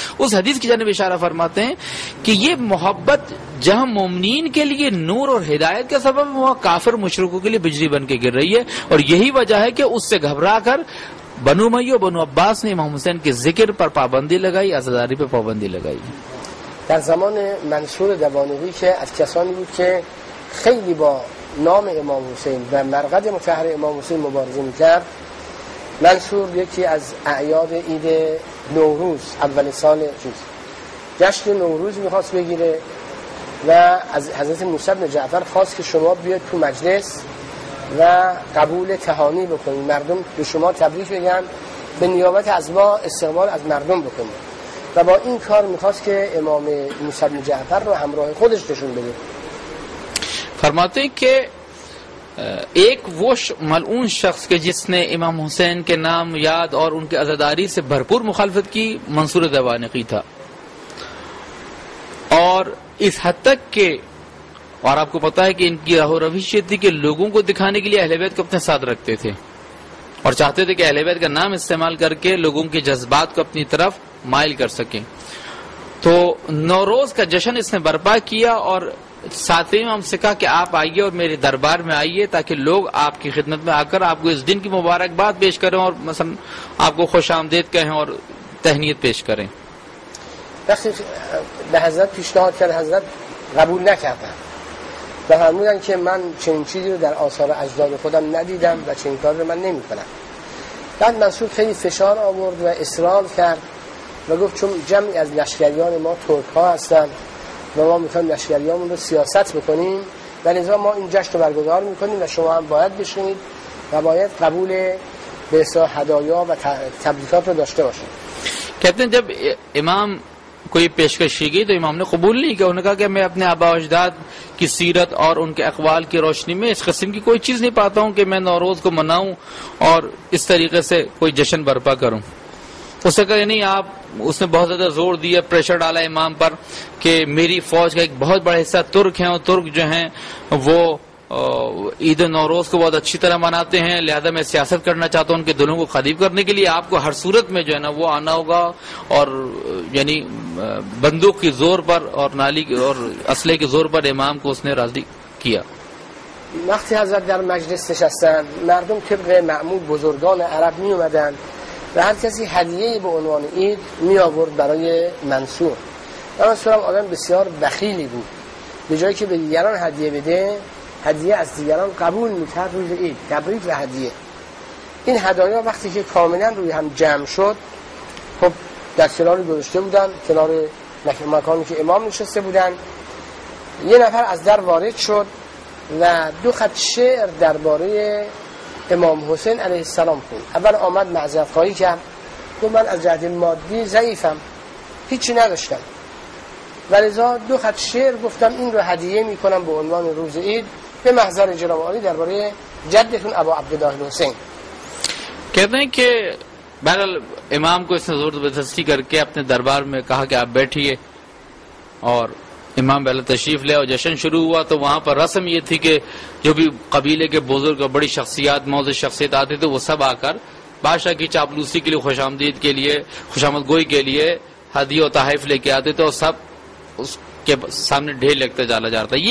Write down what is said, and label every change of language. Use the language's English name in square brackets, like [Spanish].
[Urdu] اس حدیث کی جانب اشارہ فرماتے ہیں کہ یہ محبت جہاں مومنین کے لیے نور اور ہدایت کا سبب ہے، وہاں کافر مشرکوں کے لیے بجلی بن کے گر رہی ہے. اور یہی وجہ ہے کہ اس سے گھبرا کر بنو امیہ و بنو عباس نے امام حسین کے ذکر پر پابندی لگائی، عزاداری پر پابندی لگائی. [Persian] در زمان منصور دوانوی که از کسانی بود که خیلی با نام امام حسین و مرقد مطهر امام حسین مبارزه میکرد، منصور یکی از اعیاد عید نوروز، اول سال جشن نوروز میخواست بگیره و از حضرت موسی بن جعفر خواست که شما بیاید تو مجلس و قبول تهانی بکنید، مردم به شما تبریک بگن، به نیابت از ما استقبال از مردم بکنید. و با این کار میخواست که امام موسی بن جعفر رو همراه خودش نشون بده. [Urdu] فرماتے ہیں کہ ایک وہ ملعون شخص کے جس نے امام حسین کے نام یاد اور ان کی عزاداری سے بھرپور مخالفت کی، منصور دوانقی تھا. اور اس حد تک کہ، اور آپ کو پتا ہے کہ ان کی راہ و روش یہ تھی کہ لوگوں کو دکھانے کے لیے اہل بیت کو اپنے ساتھ رکھتے تھے، اور چاہتے تھے کہ اہل بیت کا نام استعمال کر کے لوگوں کے جذبات کو اپنی طرف مائل کر سکیں. تو نوروز کا جشن اس نے برپا کیا اور ساتویں امام سے کہا کہ آپ آئیے اور میرے دربار میں آئیے تاکہ لوگ آپ کی خدمت میں آ کر آپ کو اس دن کی مبارکباد پیش کریں اور مثلا آپ کو خوش آمدید کہیں اور تہنیت پیش کریں. [Persian] وقتی به حضرت پیشنهاد کرد، حضرت قبول نکردن و فرمودن که من چنین چیزی رو در آثار اجداد خودم ندیدم و چنین کار رو من نمی کنم. بعد منصور خیلی فشار آورد و اصرار کرد و گفت چون جمعی از لشکریان ما ترک ها هستن و ما میخوایم لشکریامون رو سیاست بکنیم، ولی ما این جشن رو برگزار میکنیم و شما هم باید بشینید و باید قبول به اصطلاح هدایا و تبریکات رو داشته باشید. [Urdu] کاپتن جب امام کوئی پیشکش کی گئی تو امام نے قبول نہیں کیا، انہوں نے کہا کہ میں اپنے آبا اجداد کی سیرت اور ان کے اقوال کی روشنی میں اس قسم کی کوئی چیز نہیں پاتا ہوں کہ میں نوروز کو مناؤں اور اس طریقے سے کوئی جشن برپا کروں. اس نے کہا نہیں آپ، اس نے بہت زیادہ زور دیا، پریشر ڈالا امام پر کہ میری فوج کا ایک بہت بڑا حصہ ترک ہیں اور ترک جو ہیں وہ عید نوروز کو بہت اچھی طرح مناتے ہیں، لہذا میں سیاست کرنا چاہتا ہوں ان کے دلوں کو قریب کرنے کے لیے، آپ کو ہر صورت میں جو ہے نا وہ آنا ہوگا اور یعنی بندوق کی زور پر اور نالی اور اسلحے کے زور پر امام کو اس نے راضی کیا. [Persian] وقتی حضرت در مجلس نشستن، مردم طبق معمول بزرگان عرب می اومدن و هر کسی هدیه به عنوان عید می آورد برای منصور. منصور هم آدم بسیار بخیلی بود، به جایی که به دیگران هدیه بده، هدیه از دیگران قبول میکرد روز عید، تبریک و هدیه. این هدایا وقتی که کاملا روی هم جمع شد، خب در کنار گذاشته بودن، کنار مکانی که امام نشسته بودن، یه نفر از در وارد شد و دو خط شعر درباره امام حسین علیه السلام خون. اول آمد معذرت خواهی کرد، گفت من از جهت مادی ضعیفم، هیچی نداشتم، ولذا دو خط شعر گفتم، این رو هدیه می کنم به عنوان روز عید به محضر جناب عالی درباره جدتون ابا عبدالله حسین. [Urdu] کہتے ہیں کہ بہرحال امام کو اس نے زور زبردستی کر کے اپنے دربار میں کہا کہ آپ بیٹھیے اور امام بہلا تشریف لے. اور جشن شروع ہوا تو وہاں پر رسم یہ تھی کہ جو بھی قبیلے کے بزرگ اور بڑی شخصیات موزے شخصیت آتے تھے وہ سب آ کر بادشاہ کی چاپلوسی کے لیے خوش آمدید کے لیے خوش آمد گوئی کے لیے ہدیہ و تحائف لے کے آتے تھے اور سب اس کے سامنے ڈھیر لگتا جالا جا رہا تھا.